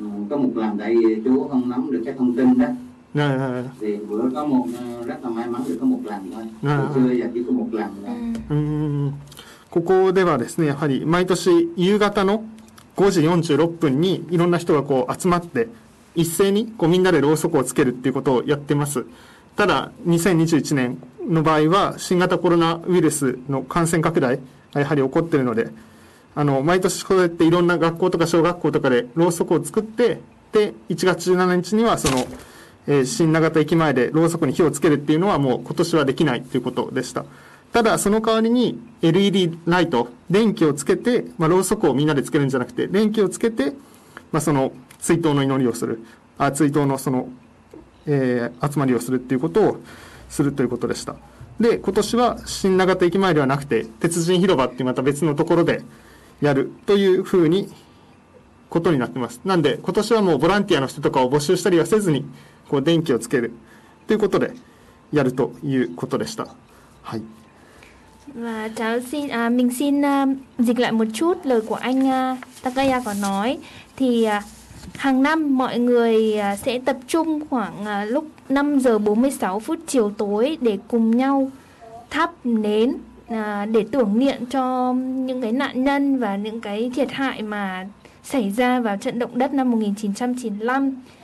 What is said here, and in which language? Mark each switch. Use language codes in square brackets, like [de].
[vi] Có một lần, tại vì chú không nắm được cái thông tin đó. Thì bữa có một, rất là may mắn được có một lần thôi. Từ xưa giờ chỉ có một lần thôi. [ja] ここではですね、やはり毎年夕方の5時46分にいろんな人がこう集まって、一斉にこうみんなでろうそくをつけるっていうことをやってます。ただ2021年の場合は新型コロナウイルスの感染拡大がやはり起こっているので、あの毎年こうやっていろんな学校とか小学校とかでろうそくを作って、で1月17日にはその、新長田駅前でろうそくに火をつけるっていうのはもう今年はできないということでした。ただその代わりに LED ライト、電気をつけて、まあ、ろうそくをみんなでつけるんじゃなくて電気をつけて、まあ、その追悼の祈りをする、あ、追悼のその、集まりをするっていうことをするということでした。で、今年は新長田駅前ではなくて鉄人広場ってまた別のところでやるというふうにことになってます。なんで今年はもうボランティアの人とかを募集したりはせずにこう電気をつけるということでやるということでした。はい。 [vi] Và cháu xin, à, mình xin dịch lại một chút lời của anh Takaya có nói. Thì hàng năm mọi người sẽ tập trung khoảng lúc 5 giờ 46 phút chiều tối để cùng nhau thắp nến để tưởng niệm cho những cái nạn nhân và những cái thiệt hại mà xảy ra vào trận động đất năm 1995.